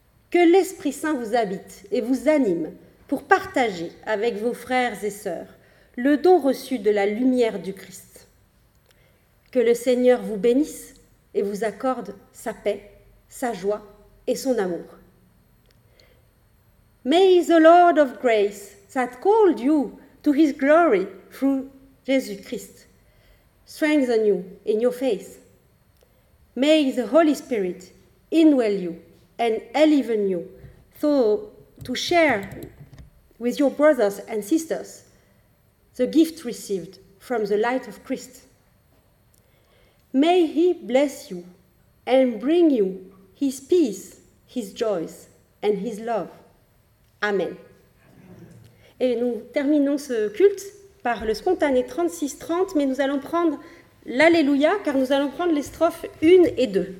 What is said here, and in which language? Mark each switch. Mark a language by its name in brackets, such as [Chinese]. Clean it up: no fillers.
[French] Que l'Esprit-Saint vous habite et vous anime pour partager avec vos frères et sœurs le don reçu de la lumière du Christ. Que le Seigneur vous bénisse et vous accorde sa paix, sa joie et son amour. [English] May the Lord of grace that called you to his glory through Jesus Christ strengthen you in your faith. May the Holy Spirit indwell you and enliven you so to share with your brothers and sisters the gift received from the light of Christ. May he bless you and bring you his peace, his joys, and his love. Amen. [French] Et nous terminons ce culte par le spontané 36-30, mais nous allons prendre l'Alléluia, car nous allons prendre les strophes 1 et 2.